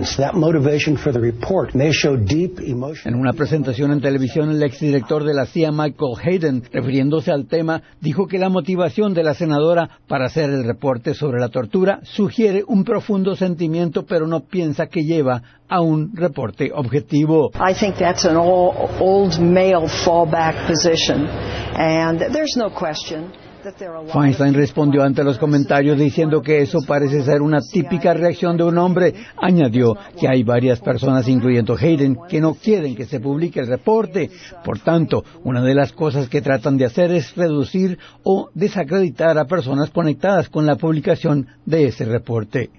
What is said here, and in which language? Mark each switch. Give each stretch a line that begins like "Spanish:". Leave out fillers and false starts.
Spanish: En una presentación en televisión, el exdirector de la CIA, Michael Hayden, refiriéndose al tema, dijo que la motivación de la senadora para hacer el reporte sobre la tortura sugiere un profundo sentimiento, pero no piensa que lleva a un reporte objetivo.
English: I think that's an old male fallback position, and there's no question.
Spanish: Feinstein respondió ante los comentarios diciendo que eso parece ser una típica reacción de un hombre. Añadió que hay varias personas, incluyendo Hayden, que no quieren que se publique el reporte. Por tanto, una de las cosas que tratan de hacer es reducir o desacreditar a personas conectadas con la publicación de ese reporte.